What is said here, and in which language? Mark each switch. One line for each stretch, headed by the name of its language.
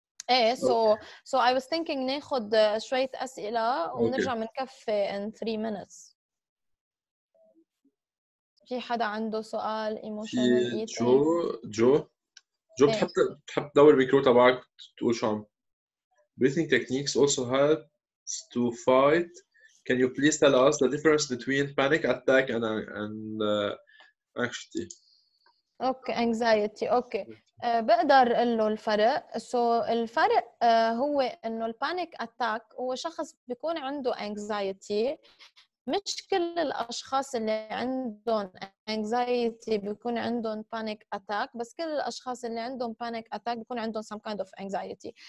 English: إيه, so I was thinking
Arabic: ناخد شوية أسئلة ونرجع من كافي
English: in 3 minutes.
Arabic: في حدا عنده سؤال emotional eating؟ جو بتحب تدور بيكرو تبعك تقول شو عم.
English: Breathing techniques also helps to fight. Can you please tell us the difference between panic attack and anxiety? Okay, anxiety. Okay.
Arabic: بقدر أقول له الفرق. So الفرق هو إنه البانيك أتاك هو شخص بيكون عنده anxiety. مش كل الأشخاص اللي عندهم anxiety بيكون عندهم panic attack, بس كل الأشخاص اللي عندهم panic attack بيكون عندهم
English: some kind of anxiety.